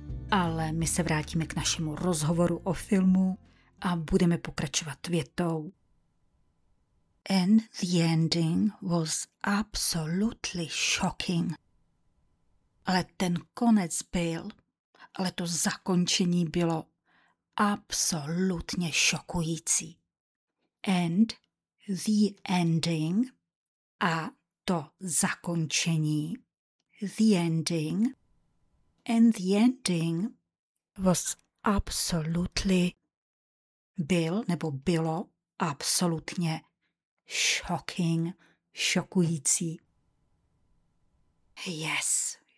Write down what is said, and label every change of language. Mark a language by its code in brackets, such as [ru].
[cs] Ale my se vrátíme k našemu rozhovoru o filmu a budeme pokračovat větou. [en] And the ending was absolutely shocking. [cs] Ale ten konec byl, ale to zakončení bylo absolutně šokující. [en] And the ending [cs] a to zakončení, [en] the ending and the ending was absolutely [cs] byl nebo bylo absolutně [en] shocking, šokující. Yes.